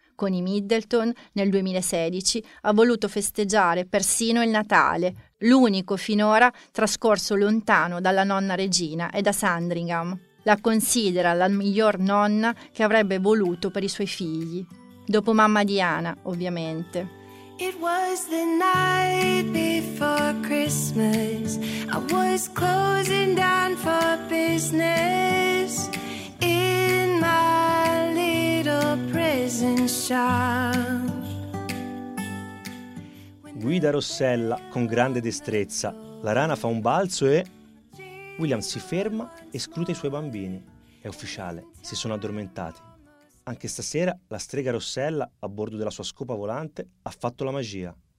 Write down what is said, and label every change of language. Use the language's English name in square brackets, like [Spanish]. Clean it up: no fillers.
[Italian] Con i Middleton, nel 2016, ha voluto festeggiare persino il Natale, l'unico finora trascorso lontano dalla nonna regina e da Sandringham. La considera la miglior nonna che avrebbe voluto per i suoi figli. Dopo mamma Diana, ovviamente. [English] It was the night before Christmas. I was closing down for business in my little prison shop. [Italian] Guida Rossella con grande destrezza. La rana fa un balzo e William si ferma e scruta i suoi bambini. È ufficiale, si sono addormentati. Anche stasera la strega Rossella, a bordo della sua scopa volante, ha fatto la magia.